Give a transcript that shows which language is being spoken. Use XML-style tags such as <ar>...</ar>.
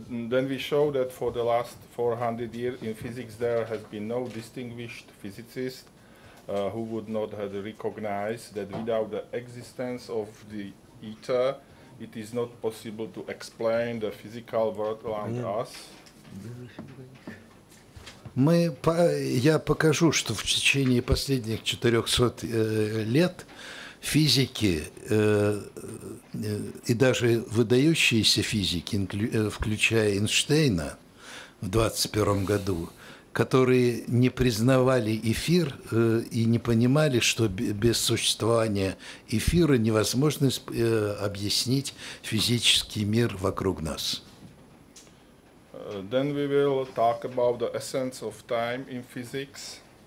<en>Then we show that for the last 400 years in physics there has been no distinguished physicist who would not have recognized that without the existence of the ether it is not possible to explain the physical world around us.</en> <ru>Я покажу, что в течение последних 400 лет физики и даже выдающиеся физики, включая Эйнштейна в 21-м году, которые не признавали эфир и не понимали, что без существования эфира невозможно объяснить физический мир вокруг нас.</ru> <en>Then we will talk about the essence of time in physics.</en>